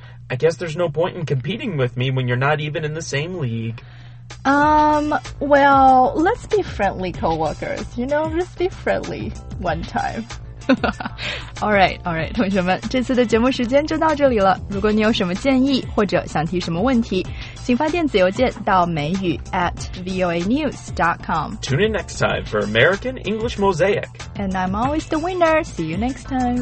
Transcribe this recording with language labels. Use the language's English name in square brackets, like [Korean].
[English] I guess there's no point in competing with me when you're not even in the same league. Well, let's be friendly co-workers, you know, just be friendly one time. all right, [Chinese] 同学们，这次的节目时间就到这里了。如果你有什么建议或者想提什么问题，请发电子邮件到美语@voanews.com. [English] Tune in next time for American English Mosaic. And I'm always the winner. See you next time.